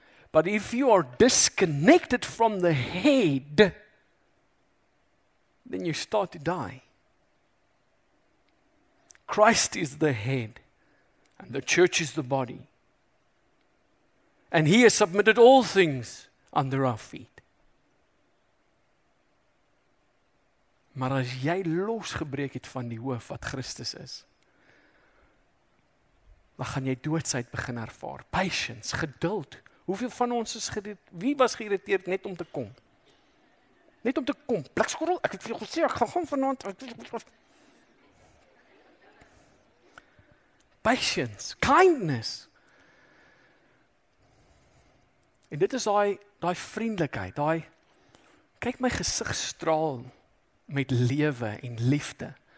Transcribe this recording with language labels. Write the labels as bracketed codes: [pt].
[en] But if you are disconnected from the head, then you start to die. Christ is the head, and the church is the body. And he has submitted all things under our feet. [af] Maar as jy losgebreek het van die hoof wat Christus is, dan gaan jy doodsheid begin ervaar. [en] Patience, geduld. [af] Hoeveel van ons is wie was geïrriteerd net om te kom? Net om te kom. Blikskorrel, ek het vir jou gesê, ek gaan vanaand. [en] Patience, kindness. [af] En dit is daai vriendelikheid, daai kyk my gesig straal met lewe en liefde.